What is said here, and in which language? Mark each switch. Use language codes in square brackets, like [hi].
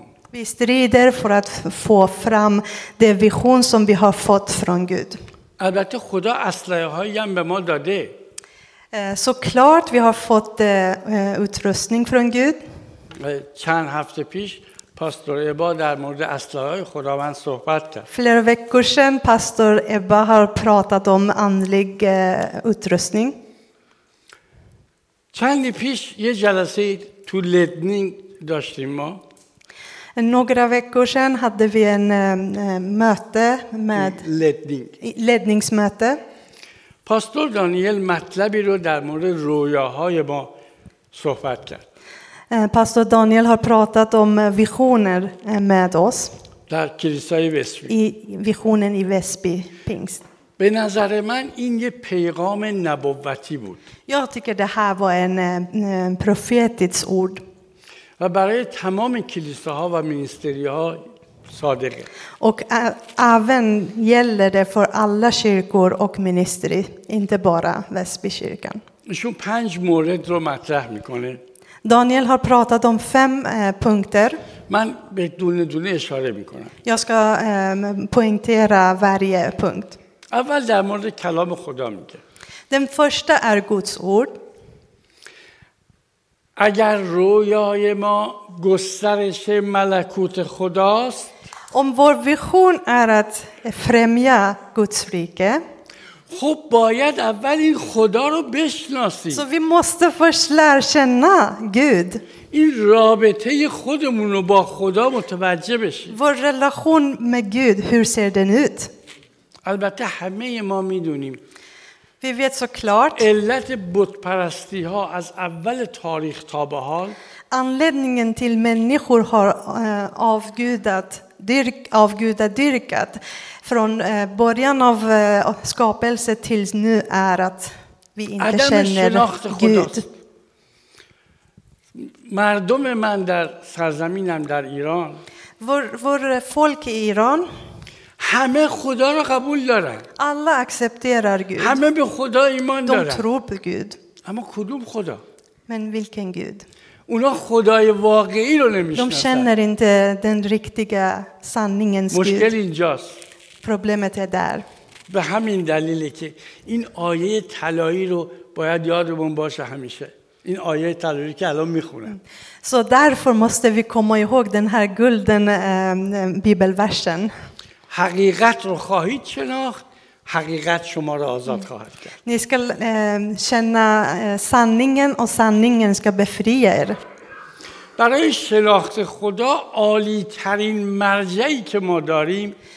[sv] Vi strider för att få fram den vision som vi har fått från Gud. [fa] البته خدا اسلحه هایی هم به ما داده. [sv] Såklart vi har fått utrustning från Gud. [fa] چند هفته پیش پاستور ابا در مورد اسلحه های خداوند صحبت کرد. [sv] Flera veckor sedan pastor Ebba har pratat om andlig utrustning. [fa] چند پیش یه جلسه تو لدنینگ داشتیم ما. [sv] Några veckor sedan hade vi en möte med ledningsmöte. [fa] Pastor Daniel matlabi ro dar mored royahay ma sohbat kard. [sv] Pastor Daniel har pratat om visioner med oss. [fa] Dar kirisay Vesby. [sv] I visionen i Vesby Pingst. [fa] Be nazar man in ye peygham nabuvati bud. [sv] Jag tycker det här var en profetiskt ord. [fa] و برای تمام کلیساها و مینیستری‌ها صادقه. [sv] Och även gäller det för alla kyrkor och ministeri, inte bara Väsbykyrkan. [fa] شون پنج مورد رو مطرح میکنه. [sv] Daniel har pratat om fem punkter. [fa] من به دونه دونه اشاره میکنم. [sv] Jag ska poängtera varje punkt. [fa] اول در مورد کلام خدا میگه. [sv] Den första är Guds ord. [fa] اگر رویای ما گسترش ملکوت خداست، [sv] om vår vision är att främja Guds rike, [fa] خب باید اول این خدا رو بشناسیم. [sv] So vi måste först lära känna Gud. [fa] این رابطه خودمون رو با خدا متوجه بشیم. [sv] Vår relation med Gud, hur ser den ut? [fa] البته همه ما میدونیم. [sv] Vi vet såklart [fa] علت بت‌پرستی ها از اول تاریخ تا به حال [sv] anledningen till människor har avgudat dyrkat från början av skapelse tills nu är att vi inte känner Gud. [fa] مردم من در سرزمینم در ایران [sv] vår folk i Iran [fa] همه خدا را قبول دارن. [sv] Alla accepterar Gud. [fa] همه به خدا ایمان دارن. [sv] De tror på Gud. [fa] اما کدوم خدا؟ [sv] Men vilken Gud? [fa] اونا خدای واقعی رو نمی‌شناسن. [sv] De känner inte den riktiga sanningens [fa] Gud. مشکل اینجاست. [sv] Problemet är där. [fa] به همین دلیلی که این آیه طلایی رو باید یادمون باشه همیشه. این آیه طلایی که الان می‌خونم. [sv] So därför måste vi komma ihåg den här gulden bibelversen. [fa] حقیقت رو خواهید شناخت، حقیقت شما را آزاد خواهد کرد. [sv] Ni ska känna sanningen och sanningen ska befria er. [fa] برای شناخت خدا عالی ترین مرجعی که ما داریم